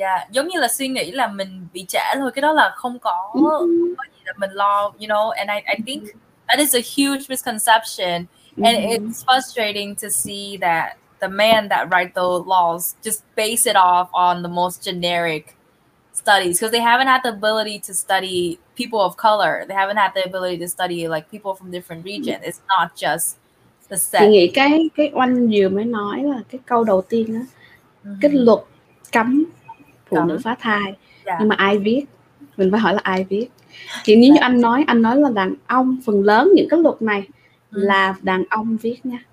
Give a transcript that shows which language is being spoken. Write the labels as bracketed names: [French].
[Vietnamese] Giống như là suy nghĩ là mình bị trễ thôi, cái đó là không có gì là mình lo, you know. [English] And I think that is a huge misconception, and it's frustrating to see that the man that write the laws just base it off on the most generic studies, because they haven't had the ability to study people of color. They haven't had the ability to study like people from different regions. It's not just the set. [Vietnamese] Thì cái anh vừa mới nói là cái câu đầu tiên á, cái luật cấm phụ nữ phá thai, nhưng mà ai viết? Mình phải hỏi là ai viết? Thì nếu như anh nói là đàn ông, phần lớn những cái luật này là đàn ông viết nha.